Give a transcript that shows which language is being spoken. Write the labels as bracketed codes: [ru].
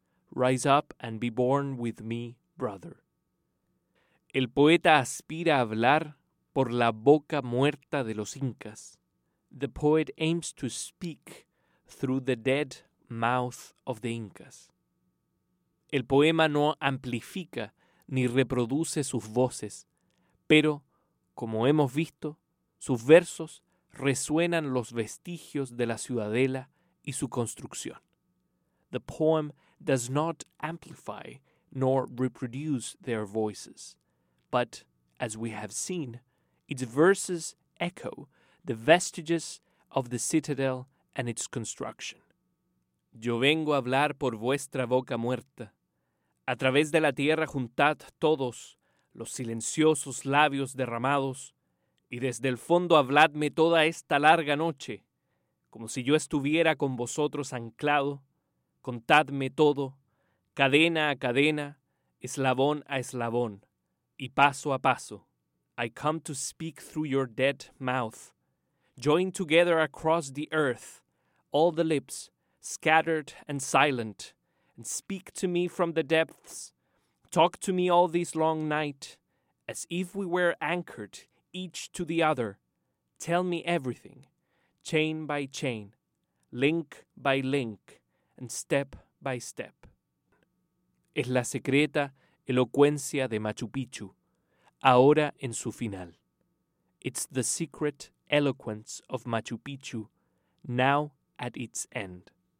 [en] Rise up and be born with me, brother. [es] El poeta aspira a hablar por la boca muerta de los incas. [en] The poet aims to speak through the dead mouth of the Incas. [es] El poema no amplifica ni reproduce sus voces, pero, como hemos visto, sus versos resuenan los vestigios de la ciudadela y su construcción. [en] The poem does not amplify nor reproduce their voices, but, as we have seen, its verses echo the vestiges of the citadel and its construction. [es] Yo vengo a hablar por vuestra boca muerta. A través de la tierra juntad todos los silenciosos labios derramados, y desde el fondo habladme toda esta larga noche, como si yo estuviera con vosotros anclado. Contadme todo, cadena a cadena, eslabón a eslabón, y paso a paso. [en] I come to speak through your dead mouth, join together across the earth, all the lips, scattered and silent, and speak to me from the depths. Talk to me all this long night, as if we were anchored each to the other. Tell me everything, chain by chain, link by link, and step by step. [es] Es la secreta elocuencia de Machu Picchu, ahora en su final. [en] It's the secret eloquence of Machu Picchu, now at its end.